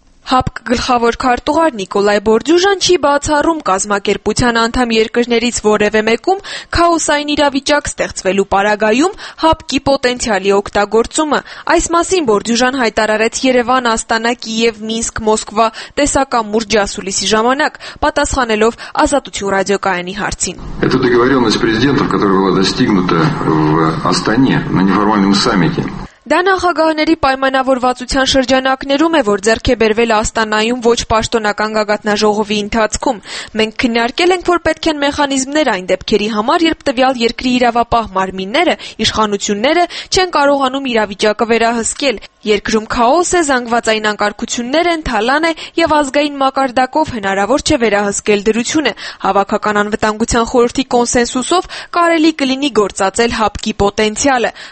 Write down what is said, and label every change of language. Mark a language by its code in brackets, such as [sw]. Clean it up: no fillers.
[hy] ՀԱՊԿ գլխավոր քարտուղար Նիկոլայ Բորդյուժան չի բացառում կազմակերպության անդամ երկրներից որևէ մեկում քաոսային իրավիճակ ստեղծվելու պարագայում ՀԱՊԿ-ի պոտենցիալի օգտագործումը։ Այս մասին Բորդյուժան հայտարարեց Երևան, Աստանա, Կիև, Մինսկ, Մոսկվա տեսակամուր ջասուլիսի ժամանակ, պատասխանելով Ազատություն ռադիոկայանի հարցին։ [ru] Это договорённость президентов, которая была достигнута в Астане на неформальном саммите. [hy] Դա նախագահների պայմանավորվածության շրջանակներում է, որ ձեռք է բերվել Աստանայում ոչ պաշտոնական գագաթնաժողովի ընթացքում։ Մենք քննարկել ենք, որ պետք են մեխանիզմներ այն դեպքերի համար, երբ տվյալ երկրի իրավապահ մարմինները, իշխանությունները չեն կարողանում իրավիճակը վերահսկել։ Երկրում քաոս է, զանգվածային անկարգություններ են, թալան է և ազգային մակարդակով հնարավոր չէ վերահսկել դրությունը։ Հավաքական անվտանգության խորհրդի կոնսենսուսով կարելի կլինի գործածել ՀԱՊԿ-ի պոտենցիալը,